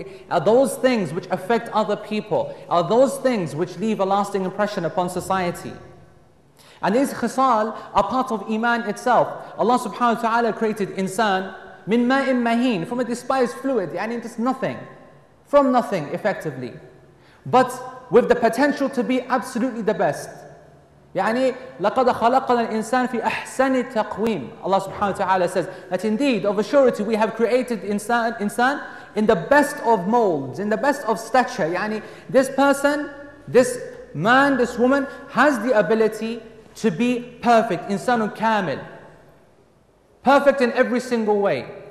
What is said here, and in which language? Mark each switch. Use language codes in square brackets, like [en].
[en] Are those things which affect other people, are those things which leave a lasting impression upon society. And these khisal are part of iman itself. Allah subhanahu wa ta'ala created [ar] insan min ma'in mahin, [en] from a despised fluid, and it is nothing, from nothing effectively, but with the potential to be absolutely the best. [ar] يعني لقد خلقنا الإنسان في أحسن تقويم. [en] Allah subhanahu wa ta'ala says that indeed, of a surety, we have created insan in the best of molds, in the best of stature. [ar] يعني [en] this person, this man, this woman has the ability to be perfect, [ar] insan kamil, [en] perfect in every single way.